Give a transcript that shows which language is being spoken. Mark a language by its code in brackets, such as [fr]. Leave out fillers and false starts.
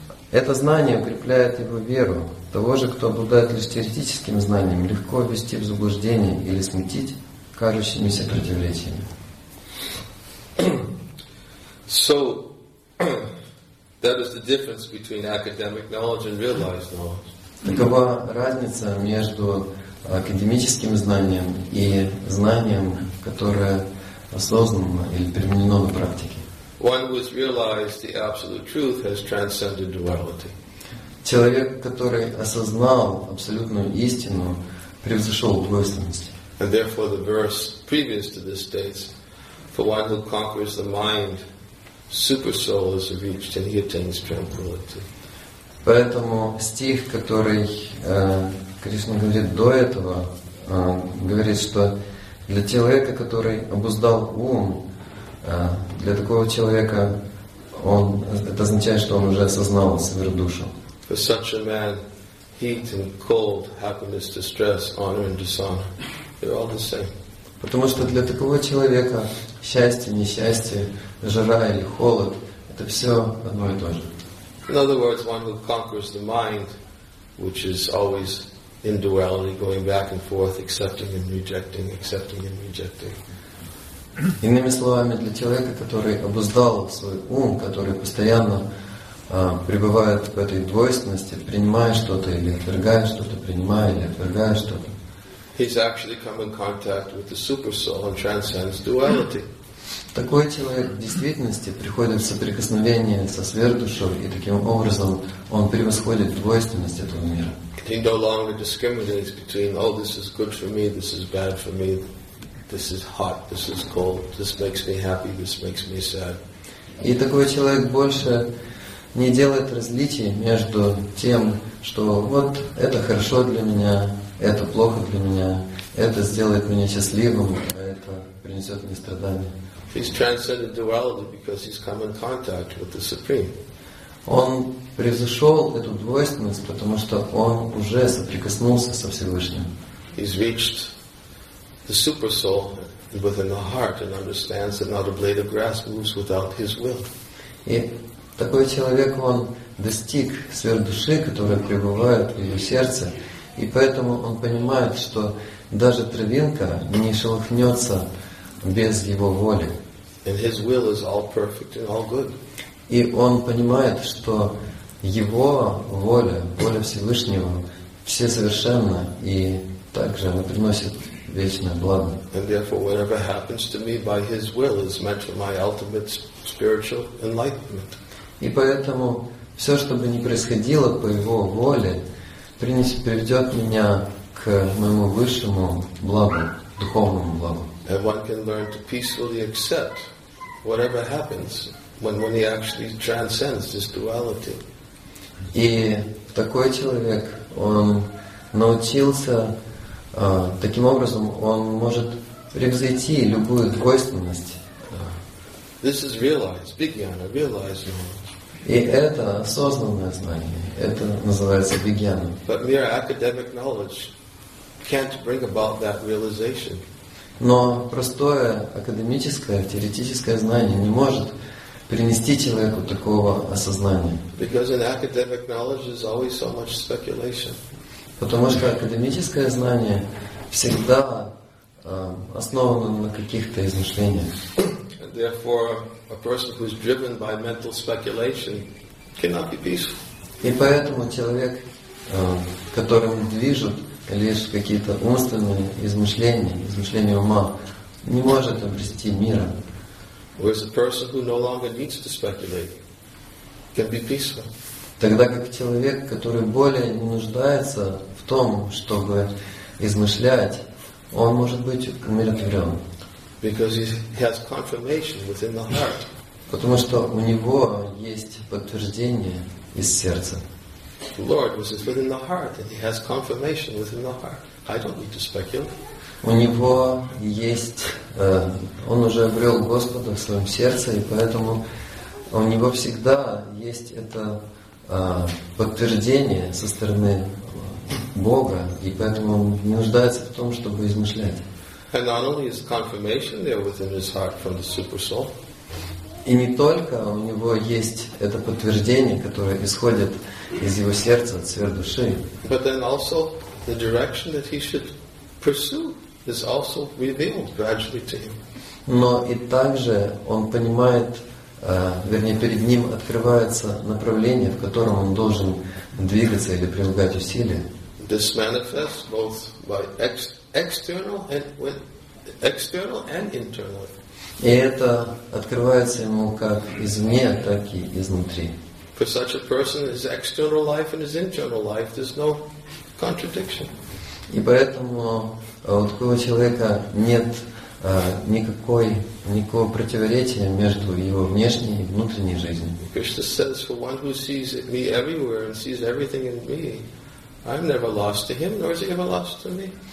[ru] Это знание укрепляет его веру. Того же, кто обладает лишь теоретическим знанием, легко ввести в заблуждение или смутить кажущимися противоречиями. [en] So that is the difference between academic knowledge and realized knowledge. [ru] Такова разница между академическим знанием и знанием, которое осознанно или применено на практике. [en] One who has realized the absolute truth has transcended duality. [ru] Человек, который осознал абсолютную истину, превзошел двойственность. [en] And therefore the verse previous to this states, for one who conquers the mind, super soul is reached and he attains tranquility. [ru] Поэтому стих, который Кришна говорит до этого, говорит, что для человека, который обуздал ум, для такого человека он, это означает, что он уже осознал сверхдушу. [en] For such a man, heat and cold, happiness, distress, honor and dishonor, they're all the same. [ru] Потому что для такого человека счастье, несчастье, жара или холод, это все одно и то же. [en] In other words, one who conquers the mind, which is always in duality, going back and forth, accepting and rejecting, accepting and rejecting. [ru] Иными словами, для человека, который обуздал свой ум, который постоянно пребывает в этой двойственности, принимая что-то или отвергая что-то, принимая или отвергая что-то. [en] He's actually come in contact with the super soul and transcends duality. [ru] Такой человек в действительности приходит в соприкосновение со сверхдушой, и таким образом он превосходит двойственность этого мира. [en] He no longer discriminates between, oh, this is good for me, this is bad for me, this is hot, this is cold, this makes me happy, this makes me sad. [ru] И такой человек больше не делает различий между тем, что вот это хорошо для меня, это плохо для меня, это сделает меня счастливым, а это принесет мне страдания. [en] He's transcended duality because he's come in contact with the Supreme. [ru] Он превзошел эту двойственность, потому что он уже соприкоснулся со Всевышним. [en] He's reached the super soul within the heart and understands that not a blade of grass moves without his will. [ru] И такой человек, он достиг сверхдуши, которая пребывает в его сердце, и поэтому он понимает, что даже травинка не шелохнется без его воли. [en] And his will is all perfect and all good. [ru] И он понимает, что его воля, воля Всевышнего, все совершенна, и также она приносит вечное благо. [en] And therefore, whatever happens to me by his will is meant for my ultimate spiritual enlightenment. [ru] И поэтому все, что бы ни происходило по его воле, приведет меня к моему высшему благу, духовному благу. [en] And one can learn to peacefully accept whatever happens when he actually transcends this duality. [ru] И такой человек, он научился таким образом, он может превзойти любую двойственность. [en] This is realized, vijnana, realized knowledge. [ru] И это осознанное знание, это называется vijnana. [en] But mere academic knowledge can't bring about that realization. [ru] Но простое академическое, теоретическое знание не может принести человеку такого осознания. [en] Because in academic knowledge is always so much speculation. [ru] Потому что академическое знание всегда основано на каких-то измышлениях. [en] And therefore, a person who is driven by mental speculation cannot be peaceful. [ru] И поэтому человек, которым движут лишь какие-то умственные измышления, измышления ума, не может обрести мира. [en] Whereas a person who no longer needs to speculate can be peaceful. [ru] Тогда как человек, который более не нуждается в том, чтобы измышлять, он может быть умиротворен. [en] Because he has confirmation within the heart. [ru] Потому что у него есть подтверждение из сердца. [en] The Lord was within the heart, and he has confirmation within the heart. I don't need to speculate. [ru] У него есть, он уже обрел Господа в своем сердце, и поэтому у него всегда есть это подтверждение со стороны Бога, и поэтому он не нуждается в том, чтобы измышлять. И не только у него есть это подтверждение, которое исходит из его сердца, от сверхдуши, [en] but then also the direction that he should pursue is also revealed gradually to him. [ru] Но и также он понимает, вернее, перед ним открывается направление, в котором он должен двигаться или прилагать усилия. [en] This manifests both by external and internal. [ru] И это открывается ему как извне, так и изнутри. [en] For such a person, his external life and his internal life, there's no contradiction. [ru] И поэтому у такого человека нет никакого противоречия между его внешней и внутренней жизнью. [en] Krishna says, for one who sees me everywhere and sees everything in me, I'm never lost to him, nor is he ever lost to me.